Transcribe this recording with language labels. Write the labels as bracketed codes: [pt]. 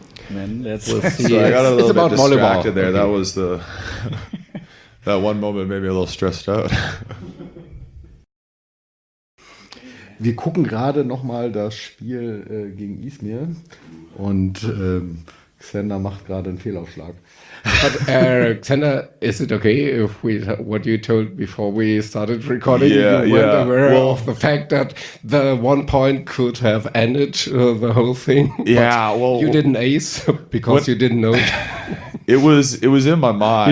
[en] I got a little distracted there. Okay. That was the that one moment made me a little stressed out. [de] Wir gucken gerade nochmal das Spiel gegen Izmir und Xander macht gerade einen Fehlaufschlag. [en] But, Xander, is it okay if we what you told before we started recording? You weren't aware of the fact that the one point could have ended the whole thing. Yeah, well, you didn't ace because you didn't know. It was in my mind.